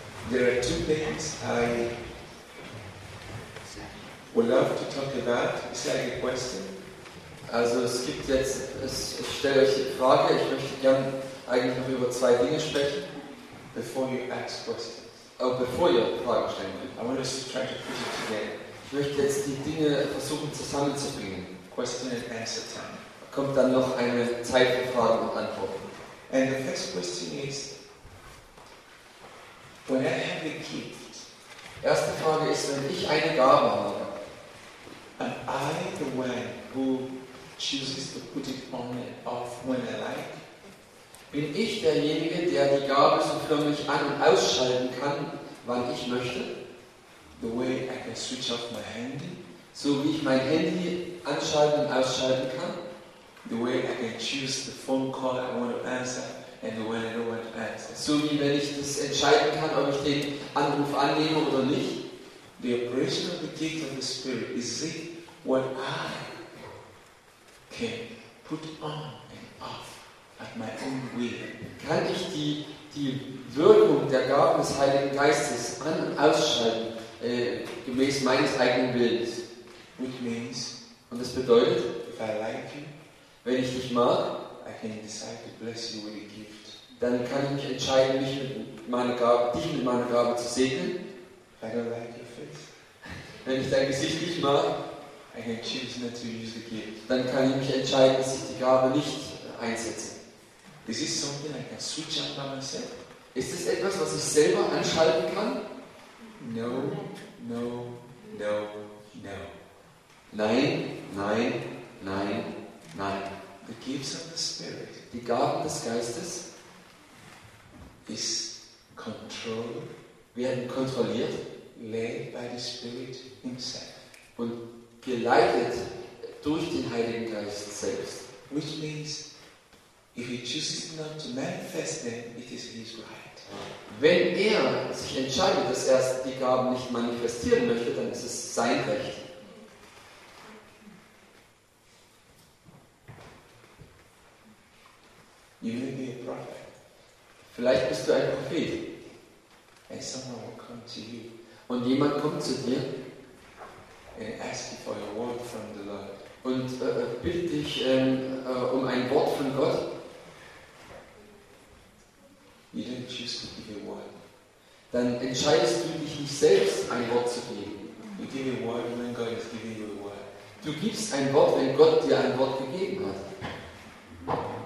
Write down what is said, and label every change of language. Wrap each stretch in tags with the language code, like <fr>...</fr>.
<en>There are two things I would love to talk about. It's like a question.</en> <de>Also es gibt jetzt, ich stelle euch die Frage, ich möchte gerne eigentlich noch über zwei Dinge sprechen.</de> <en>Before you ask questions.</en> <de>Aber bevor ihr Fragen stellen könnt.</de> <en>I want us to try to put it together.</en> <de>Ich möchte jetzt die Dinge versuchen zusammenzubringen.</de> <en>Question and answer time.</en> <de>Kommt dann noch eine Zeit für Fragen und Antworten.</de> <en>And the first question is, when I have a gift,</en> <de>erste Frage ist, wenn ich eine Gabe habe,</de> <en>am I the one who chooses to put it on and off when I like?</en> <de>Bin ich derjenige, der die Gabe so förmlich an- und ausschalten kann, wann ich möchte?</de> <en>The way I can switch off my handy?</en> <de>So wie ich mein Handy anschalten und ausschalten kann?</de> <en>The way I can choose the phone call I want to answer and the way I don't want to answer.</en> <de>So wie wenn ich das entscheiden kann, ob ich den Anruf annehme oder nicht?</de> <en>The operation of the gift of the Spirit is see what I can put on and off at my own will.</en> <de>Kann ich die Wirkung der Gabe des Heiligen Geistes an- und ausschalten, gemäß meines eigenen Willens?</de> <en>Which means,</en> <de>und das bedeutet,</de> <en>if I like you,</en> <de>wenn ich dich mag,</de> <en>I can decide to bless you with a gift.</en> <de>Dann kann ich mich entscheiden, mich mit meiner Gabe, dich mit meiner Gabe zu segnen.</de> <en>If I don't like your face,</en> <de>wenn ich dein Gesicht nicht mag,</de> <en>I can choose not to use the gift.</en> <de>Dann kann ich mich entscheiden, dass ich die Gabe nicht einsetze.</de> <en>This is something I can switch on by myself.</en> <de>Ist das etwas, was ich selber anschalten kann?</de> <en>No, no, no, no.</en> <de>Nein, nein, nein, nein.</de> <en>The gifts of the Spirit.</en> <de>Die Gaben des Geistes</de> <en>is controlled,</en> <de>werden kontrolliert,</de> <en>led by the Spirit himself.</en> <de>Und geleitet durch den Heiligen Geist selbst.</de> <en>Which means, if he chooses not to manifest them, it is his right.</en> <de>Wenn er sich entscheidet, dass er die Gaben nicht manifestieren möchte, dann ist es sein Recht.</de> <en>You may be a prophet.</en> <de>Vielleicht bist du ein Prophet.</de> <en>And someone will come to you.</en> <de>Und jemand kommt zu dir.</de> <en>And ask you for a word from the Lord.</en> <de>Und bittet dich um ein Wort von Gott.</de> <en>You don't choose to give a word.</en> <de>Dann entscheidest du dich nicht selbst, ein Wort zu geben.</de> <en>You give a word when God is giving you a word.</en> <de>Du gibst ein Wort, wenn Gott dir ein Wort gegeben hat.</de>